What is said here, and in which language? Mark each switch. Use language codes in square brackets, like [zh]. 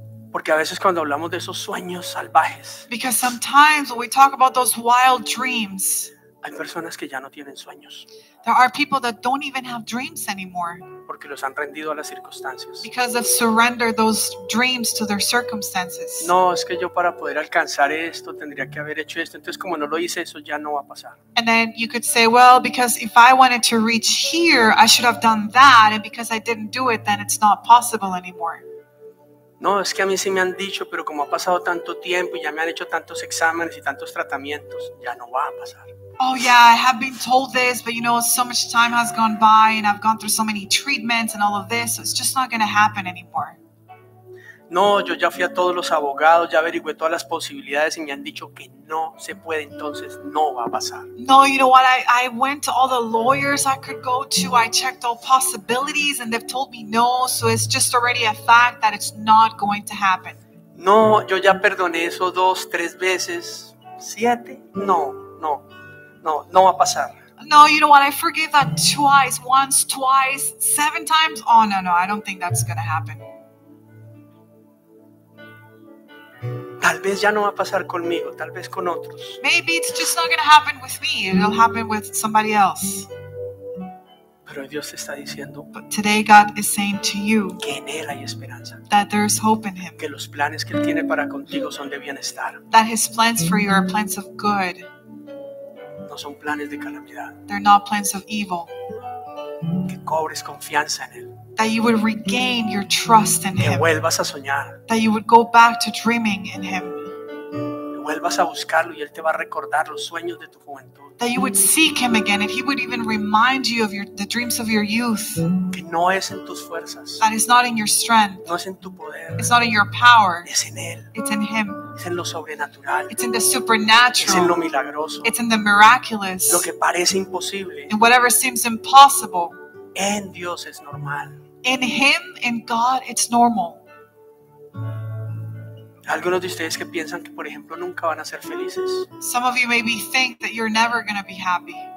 [es] Porque a veces cuando hablamos de esos sueños salvajes. [en] Because sometimes when we talk about those wild dreams. [es] Hay personas que ya no tienen sueños. [en] There are people that don't even have dreams anymore. [es] Porque los han rendido a las circunstancias. [en] Because they've surrendered those dreams to their circumstances. [es] No, es que yo para poder alcanzar esto tendría que haber hecho esto. Entonces como no lo hice, eso ya no va a pasar. [en] And then you could say, well, because if I wanted to reach here, I should have done that. And because I didn't do it, then it's not possible anymore. [es] No, es que a mí sí me han dicho, pero como ha pasado tanto tiempo y ya me han hecho tantos exámenes y tantos tratamientos, ya no va a pasar. [en] Oh yeah, I have been told this, but you know, so much time has gone by and I've gone through so many treatments and all of this, so it's just not going to happen anymore. [es] No, yo ya fui a todos los abogados, ya averigüé todas las posibilidades y me han dicho que no se puede, entonces no va a pasar. [en] No, you know what, I went to all the lawyers I could go to, I checked all possibilities and they've told me no, so it's just already a fact that it's not going to happen. [es] No, yo ya perdoné eso 2, 3 veces, 7, no va a pasar. [en] No, you know what, I forgave that twice, once, twice, 7 times, oh no, I don't think that's going to happen. [es] Tal vez ya no va a pasar conmigo, tal vez con otros. [en] Maybe it's just not going to happen with me. It'll happen with somebody else. [es] Pero Dios te está diciendo. [en] But today God is saying to you. [es] Que en él hay esperanza. [en] That there's hope in him. [es] Que los planes que él tiene para contigo son de bienestar. [en] That his plans for you are plans of good. [es] No son planes de calamidad. [en] They're not plans of evil. [es] Que cobres confianza en él. [en] That you would regain your trust in him. [es] Que vuelvas a soñar. [en] That you would go back to dreaming in him. [es] Que vuelvas a buscarlo y él te va a recordar los sueños de tu juventud. [en] That you would seek him again and he would even remind you of the dreams of your youth. [es] Que no es en tus fuerzas. [en] That is not in your strength. [es] No es en tu poder. [en] It's not in your power. [es] Es en él. [en] It's in him. [es] Es en lo sobrenatural. [en] It's in the supernatural. [es] Es en lo milagroso. [en] It's in the miraculous. [es] Lo que parece imposible. [en] And whatever seems impossible. [es] En Dios es normal. [en] In him, in God, it's normal. [es] Algunos de ustedes que piensan que, por ejemplo, nunca van a ser felices. [en] Some of you maybe think that you're never going to be happy.